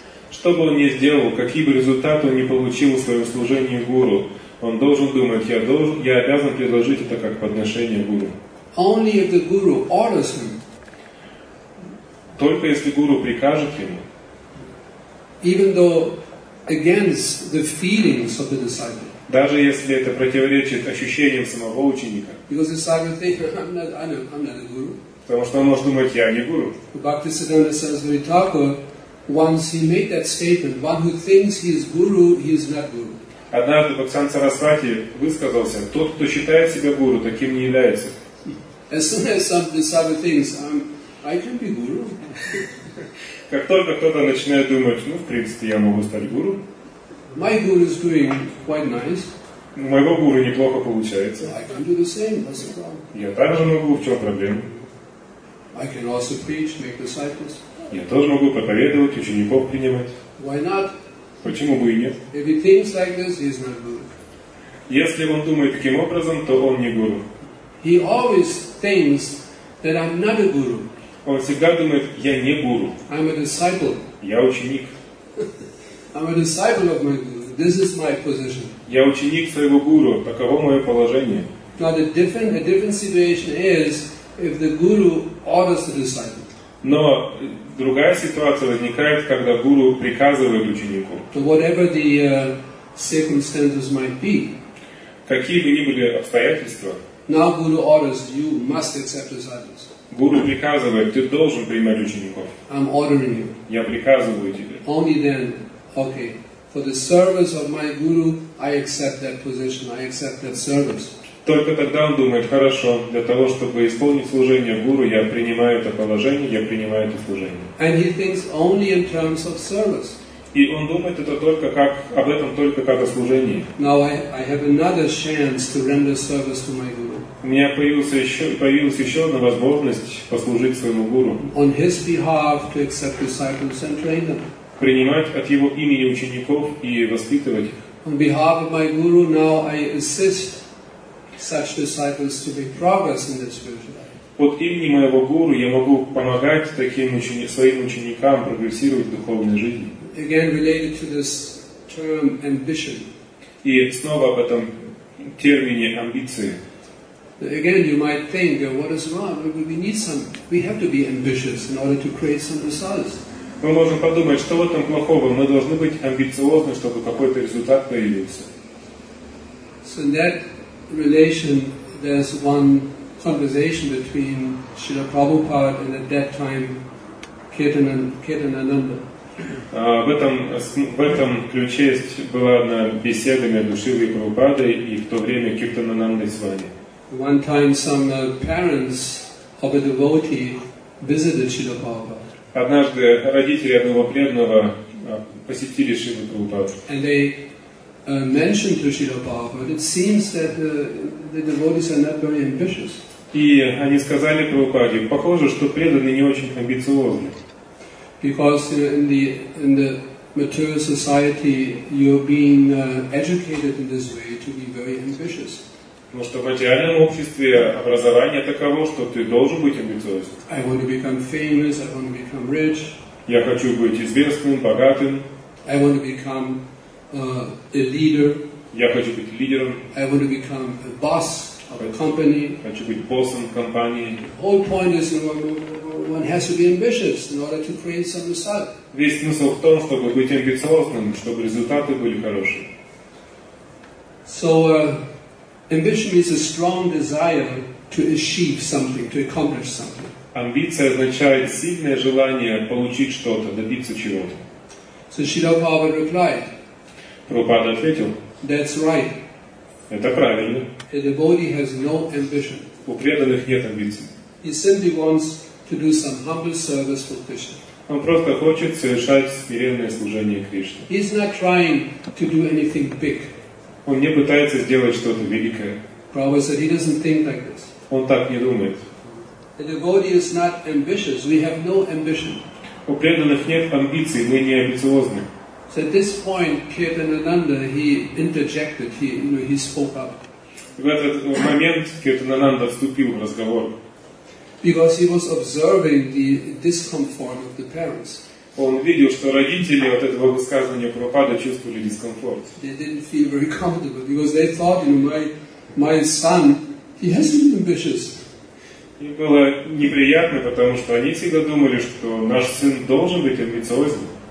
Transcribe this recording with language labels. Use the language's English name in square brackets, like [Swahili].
[Russian] Что бы он ни сделал, какие бы результаты он ни получил в своем служении Гуру, он должен думать, я обязан предложить это как подношение Гуру. [English] Only if the Guru orders him. [Russian] Только если Гуру прикажет ему. [English] Even though against the feelings of the disciple. [Russian] Даже если это противоречит ощущениям самого ученика. [English] Because the disciple thinks, I'm not a guru. [Russian] Потому что он может думать, я не гуру. [English] Bhaktisiddhanta Saraswati Thakur, once he made that statement, one who thinks he is guru, he is not guru. [Russian] Однажды Бхактисиддханта Сарасвати высказался, тот, кто считает себя гуру, таким не является. [English] As soon as some disciple thinks, I can be guru. [Russian] Как только кто-то начинает думать, ну, в принципе, я могу стать гуру. [English] My guru is doing quite nice. [Russian] У моего гуру неплохо получается. [English] I can do the same, that's the problem. [Russian] Я также могу, в чем проблема? [English] I can also preach, make disciples. [Russian] Я тоже могу проповедовать, учеников принимать. [English] Why not? [Russian] Почему бы и нет? [English] If he thinks like this, he's not guru. [Russian] Если он думает таким образом, то он не гуру. [English] He always thinks that I'm not a guru. [Russian] Он всегда думает, я не гуру. [English] I'm a disciple. [Russian] Я ученик. [English] I'm a disciple of my guru. This is my position. [Russian] Я ученик своего гуру. Таково мое положение. [English] Now a different situation is if the guru orders the disciple. [Russian] Но другая ситуация возникает, когда гуру приказывает ученику. [English] So whatever the circumstances might be. [Russian] Какие бы ни были обстоятельства. [English] Now guru orders you must accept disciples. [Russian] Гуру приказывает, ты должен принимать учеников. [English] I'm ordering you. [Russian] Я приказываю тебе. [English] Only then. Okay, for the service of my guru, I accept that position. I accept that service. [Russian] Только тогда он думает, хорошо, для того, чтобы исполнить служение гуру, я принимаю это положение, я принимаю это служение. [English] And he thinks only in terms of service. [Russian] И он думает это только как об этом только как о служении. [English] Now I have another chance to render service to my guru. [Russian] У меня появилась еще одна возможность послужить своему гуру. [English] On his behalf to accept disciples and train them. [Russian] Принимать от его имени учеников и воспитывать их. [English] On behalf of my guru, now I assist such disciples to make progress in their spiritual life. [Russian] От имени моего гуру я могу помогать таким своим ученикам прогрессировать в духовной жизни. [English] Again, related to this term ambition. [Russian] И снова об этом термине амбиции. [English] Again, you might think, what is wrong? We have to be ambitious in order to create some results. [Russian] Мы можем подумать, что в этом плохого, мы должны быть амбициозны, чтобы какой-то результат появился. [English] So in that relation, there's one conversation between Srila Prabhupada and at that time Kirtanananda. [Russian] В этом ключе была одна беседа между Шрилой Прабхупадой и в то время Киртанананды с вами. [English] One time some parents of a devotee visited Srila Prabhupada. [Russian] Однажды родители одного преданного посетили Шрилу Прабхупаду. [English] And they mentioned to Srila Prabhupada, it seems that the devotees are not very ambitious. [Russian] И они сказали Прабхупаде, похоже, что преданные не очень амбициозны. [English] Because in the material society, you're being educated in this way to be very ambitious. [Russian] Но что в идеальном обществе образование таково, что ты должен быть амбициозен. [English] I want to become famous, I want to become rich. [Russian] Я хочу быть известным, богатым. [English] I want to become a leader. [Russian] Я хочу быть лидером. [English] I want to become a boss of a company. [Russian] Хочу быть боссом компании. [English] The whole point is one has to be ambitious in order to create some result. [Russian] Весь смысл в том, чтобы быть амбициозным, чтобы результаты были хорошие. [English] So ambition is a strong desire to achieve something, to accomplish something. [Russian] Амбиция означает сильное желание получить что-то, добиться чего-то. [English] So Srila Prabhupada replied. [Russian] Prabhupada ответил. [English] That's right. [Russian] Это правильно. [English] A devotee has no ambition. [Russian] У преданных нет амбиций. [English] He simply wants to do some humble service for Krishna. [Russian] Он просто хочет совершать смиренное служение Кришне. [English] He's not trying to do anything big. [Russian] Он не пытается сделать что-то великое. [English] Prabhupada said he doesn't think like this. [Russian] Он так не думает. [English] A devotee is not ambitious. We have no ambition. [Russian] У преданных нет амбиций. Мы не амбициозны. [English] So at this point, Kirtanananda, he interjected. He spoke up. [Russian] В этот момент Киртанананда вступил в разговор. [English] Because he was observing the discomfort of the parents. [Russian] Он видел, что родители от этого высказывания Прабхупады чувствовали дискомфорт. [English] They didn't feel very comfortable because they thought, my son, he hasn't been ambitious. [Russian] Им было неприятно, потому что они всегда думали, что наш сын должен быть амбициозным.